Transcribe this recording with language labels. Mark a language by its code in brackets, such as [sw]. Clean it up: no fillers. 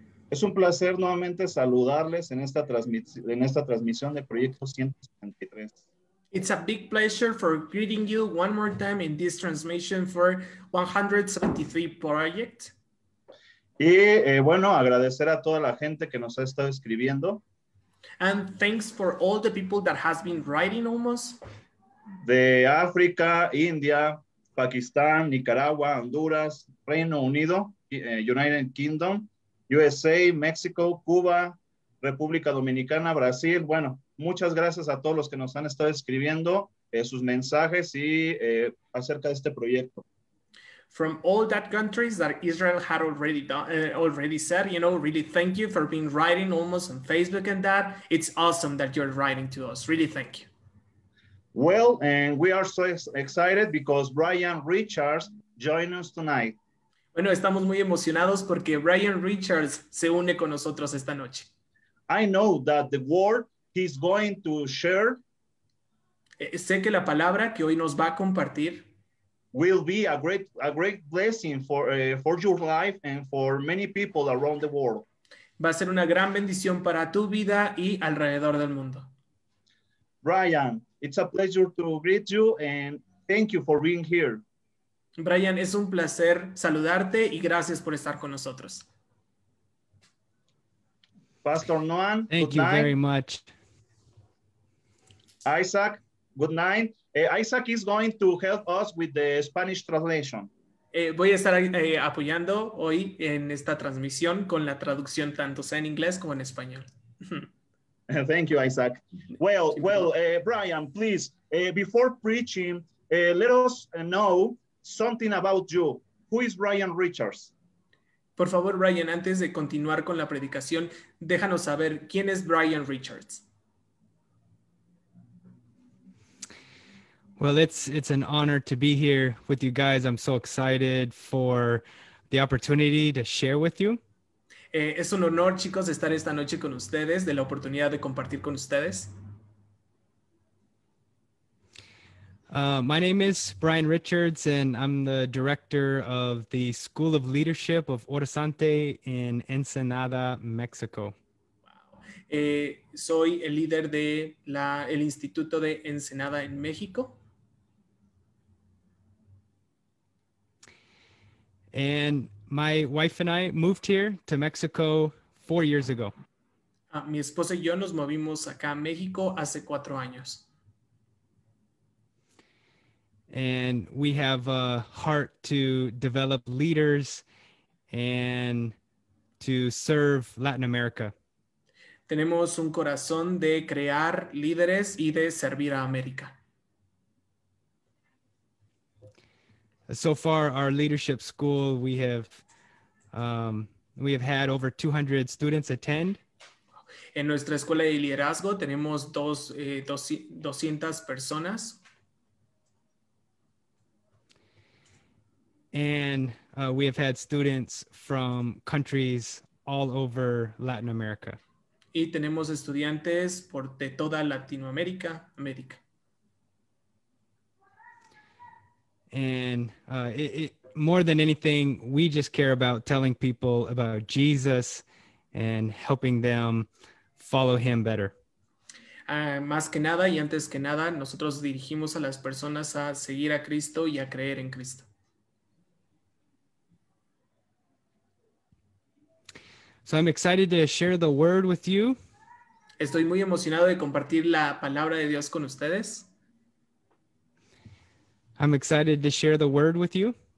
[es] Es un placer nuevamente saludarles en esta transmisión de Proyecto 173. [en] It's a big pleasure for greeting you one more time in this transmission for 173 Project. [es] Y bueno, agradecer a toda la gente que nos ha estado escribiendo. [en] And thanks for all the people that has been writing almost. [es] De África, India, Pakistán, Nicaragua, Honduras, Reino Unido, United Kingdom, USA, México, Cuba, República Dominicana, Brasil. Bueno, muchas gracias a todos los que nos han estado escribiendo sus mensajes y acerca de este proyecto. [en] From all that countries that Israel had already done, already said, you know, really thank you for being writing almost on Facebook and that. It's awesome that you're writing to us. Really thank you. Well, and we are so excited because Brian Richards joined us tonight. [es] Bueno, estamos muy emocionados porque Brian Richards se une con nosotros esta noche. [en] I know that the word he's going to share. [es] Sé que la palabra que hoy nos va a compartir [en] will be a great blessing for your life and for many people around the world. [es] Va a ser una gran bendición para tu vida y alrededor del mundo. [en] Brian, it's a pleasure to greet you and thank you for being here. [es] Brian, es un placer saludarte y gracias por estar con nosotros. [en] Pastor Noan, thank you very much. Isaac, good night. Isaac is going to help us with the Spanish translation. [es] Voy a estar apoyando hoy en esta transmisión con la traducción tanto sea en inglés como en español. [en] Thank you, Isaac. Well, Brian, please, before preaching, let us know something about you. Who is Brian Richards? [es] Por favor, Brian, antes de continuar con la predicación, déjanos saber quién es Brian Richards. [en] Well, it's an honor to be here with you guys. I'm so excited for the opportunity to share with you. [es] Es un honor, chicos, estar esta noche con ustedes, de la oportunidad de compartir con ustedes. [en] My name is Brian Richards, and I'm the director of the School of Leadership of Horizonte in Ensenada, Mexico. Wow. [es] Soy el líder de el Instituto de Ensenada en México. [en] And my wife and I moved here to Mexico 4 years ago. [es] Mi esposa y yo nos movimos acá a México hace 4 años. [en] And we have a heart to develop leaders and to serve Latin America. [es] Tenemos un corazón de crear líderes y de servir a América. [en] So far, our leadership school, we have had over 200 students attend. [es] En nuestra escuela de liderazgo tenemos 200 personas. [en] And we have had students from countries all over Latin America. [es] Y tenemos estudiantes por de toda Latinoamérica, América. [en] And more than anything, we just care about telling people about Jesus and helping them follow him better. [es] Más que nada y antes que nada, nosotros dirigimos a las personas a seguir a Cristo y a creer en Cristo. [en] So I'm excited to share the word with you. [es] Estoy muy emocionado de compartir la palabra de Dios con ustedes. [en] I'm excited to share the word with you.